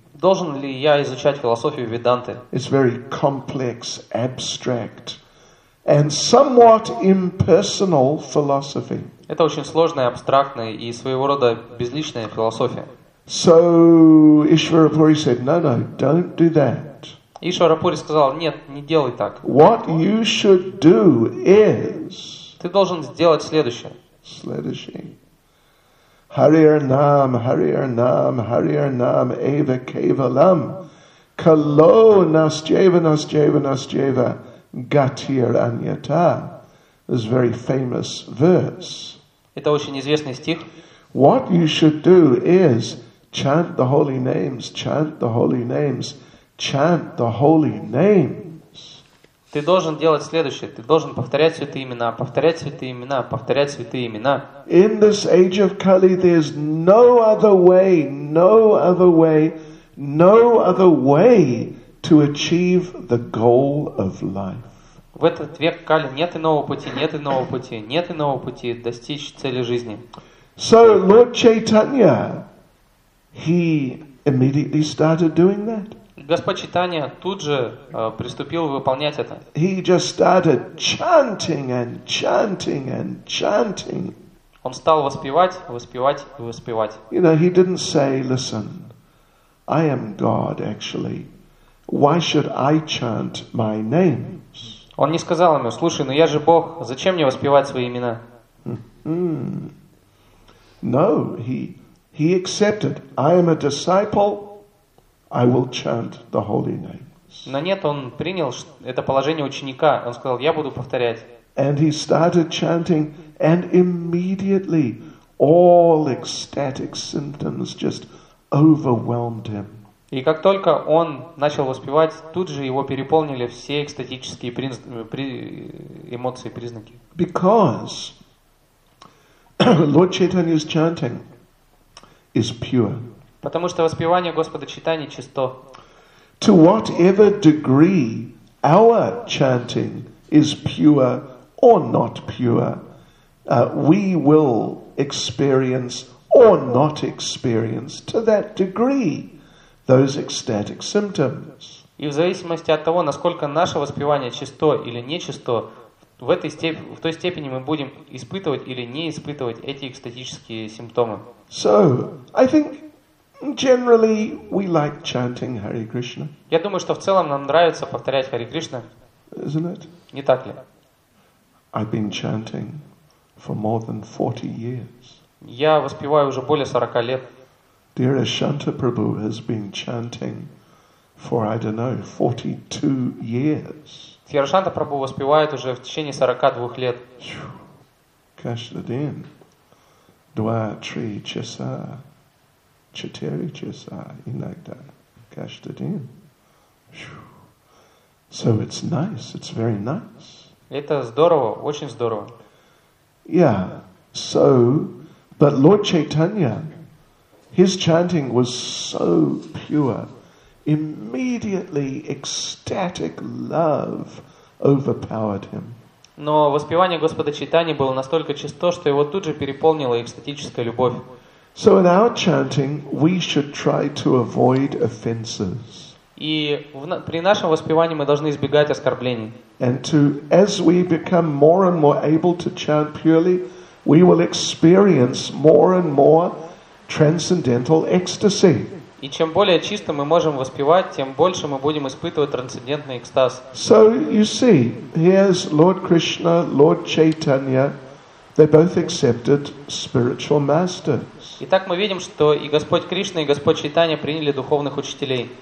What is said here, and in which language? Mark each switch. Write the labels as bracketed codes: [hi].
[ru] Должен ли я изучать философию Веданты? [en] It's very complex, abstract, and somewhat impersonal philosophy. [ru] Это очень сложная, абстрактная и своего рода безличная философия. [en] So Ishvara Puri said, no, don't do that. [ru] Ишвара Пури сказал, нет, не делай так. [en] What you should do is. [ru] Ты должен сделать следующее. Следующее. [sa] Hariyar Nam, Hariyar Nam, Hariyar Nam, Eva Kevalam. Kalo Nasjeva, Nasjeva, Nasjeva, Gatir Anyata. [en] This is a very famous verse. [ru] Это очень известный стих. [en] What you should do is chant the holy names, chant the holy names, chant the holy names. [ru] Ты должен делать следующее. Ты должен повторять святые имена, повторять святые имена, повторять святые имена. [en] In this age of Kali, there's no other way, no other way, no other way to achieve the goal of life. [ru] В этот век Кали нет иного пути, нет иного пути, нет иного пути достичь цели жизни. [en] So Lord Chaitanya, he immediately started doing that. [ru] Господь Чайтанья тут же приступил выполнять это. [en] He just started chanting and chanting and chanting. [ru] Он стал воспевать, воспевать и воспевать. [en] You know, he didn't say, listen, I am God, actually. Why should I chant my names? [ru] Он не сказал ему: слушай, но я же Бог, зачем мне воспевать свои имена? [en] No, he accepted. I am a disciple. I will chant the holy names. [ru] Но нет, он принял это положение ученика. Он сказал: я буду повторять. [en] And he started chanting, and immediately all ecstatic symptoms just overwhelmed him. [ru] И как только он начал воспевать, тут же его переполнили все экстатические эмоции, признаки. [en] Because Lord Chaitanya's chanting is pure. [ru] Потому что воспевание Господа Чайтаньи чисто. [en] To whatever degree our chanting is pure or not pure, we will experience or not experience to that degree those ecstatic symptoms. [ru] И в зависимости от того, насколько наше воспевание чисто или нечисто, в этой в той степени мы будем испытывать или не испытывать эти экстатические симптомы. [en] So, I think generally we like chanting Hare Krishna. [ru] Я думаю, что в целом нам нравится повторять Hare Krishna. [en] Isn't it? [ru] Не так ли? [en] I've been chanting for more than 40 years. [ru] Я воспеваю уже более 40 лет. [en] Dear Ashanta Prabhu has been chanting for, I don't know, 42 years. [ru] Dear Ashanta Prabhu воспевает уже в течение 42 лет. Каждый день. 2-3 часа. 4 часа иногда. Каждый день. [en] So it's nice. It's very nice. [ru] Это здорово, очень здорово. [en] Yeah. So, but Lord Chaitanya, his chanting was so pure. Immediately ecstatic love overpowered him. [ru] Но воспевание Господа Чайтаньи было настолько чисто, что его тут же переполнила экстатическая любовь. [en] So in our chanting, we should try to avoid offenses. [ru] И при нашем воспевании мы должны избегать оскорблений. [en] And to, as we become more and more able to chant purely, we will experience more and more transcendental ecstasy. [ru] И чем более чисто мы можем воспевать, тем больше мы будем испытывать трансцендентный экстаз. [en] So you see, here's Lord Krishna, Lord Chaitanya. They both accepted spiritual masters. [ru] Итак, мы видим, что и Господь Кришна, и Господь Чайтанья приняли духовных учителей.